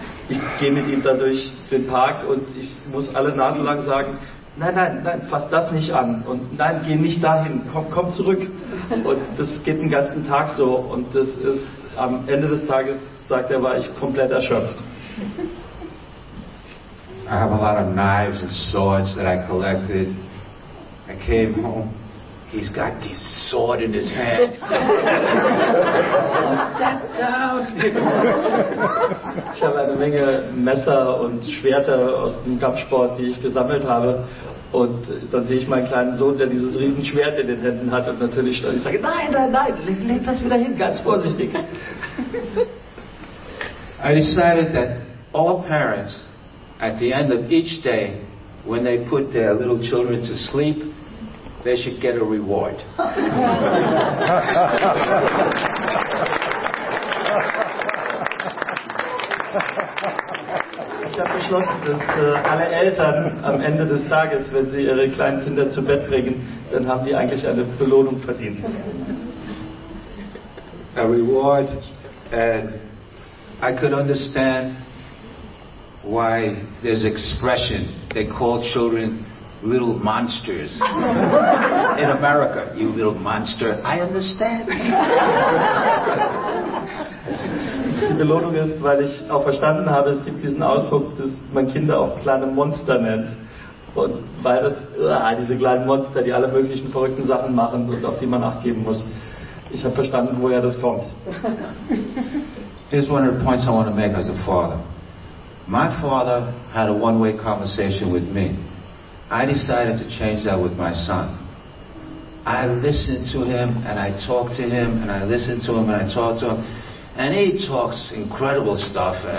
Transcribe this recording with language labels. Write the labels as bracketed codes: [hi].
[de] Ich gehe mit ihm dann durch den Park und ich muss alle Nase lang sagen, nein, nein, nein, fass das nicht an und nein, geh nicht dahin, komm zurück. Und das geht den ganzen Tag so und das ist am Ende des Tages, sagt er, war ich komplett erschöpft. [en] I have a lot of knives and swords that I collected. I came home. He's got this sword in his hand. Step down. [de] Ich habe eine Menge Messer und Schwerter aus dem Kampfsport, die ich gesammelt habe. Und dann sehe ich meinen kleinen Sohn, der dieses Riesenschwert in den Händen hat. Und natürlich stolz. Ich sage, nein, nein, nein, leg das wieder hin, ganz vorsichtig. [en] I decided that all parents, at the end of each day, when they put their little children to sleep, they should get a reward. [de] Ich habe beschlossen, dass alle Eltern am Ende des Tages, wenn sie ihre kleinen Kinder zu Bett bringen, dann haben die eigentlich eine Belohnung verdient. [en] A reward, and I could understand why there's expression. They call children little monsters. In America, you little monster. I understand. [de] Die Belohnung ist, weil ich auch verstanden habe, es gibt diesen Ausdruck, dass man Kinder auch kleine Monster nennt. Und weil das, diese kleinen Monster, die alle möglichen verrückten Sachen machen und auf die man Acht geben muss. Ich habe verstanden, woher das kommt. [en] Here's one of the points I want to make as a father. My father had a one-way conversation with me. I decided to change that with my son. I listen to him and I talk to him and I listen to him and I talk to him. And he talks incredible stuff.